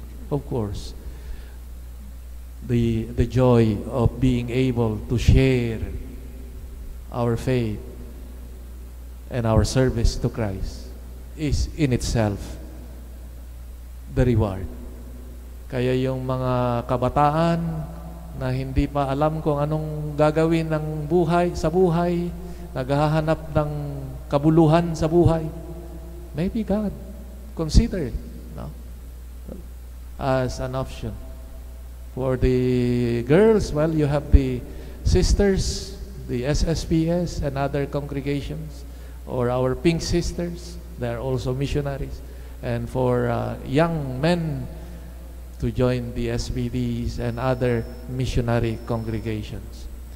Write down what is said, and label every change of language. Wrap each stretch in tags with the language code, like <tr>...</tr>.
<en>Of course, the joy of being able to share our faith and our service to Christ is in itself the reward.</en> <tl>Kaya yung mga kabataan na hindi pa alam kung anong gagawin ng buhay sa buhay, naghahanap ng kabuluhan sa buhay,</tl> <en>maybe God consider it,</en> <tl>no?</tl> <en>As an option. For the girls, well, you have the sisters, the SSPS and other congregations, or our pink sisters, they are also missionaries. And for young men to join the SVDs and other missionary congregations.</en>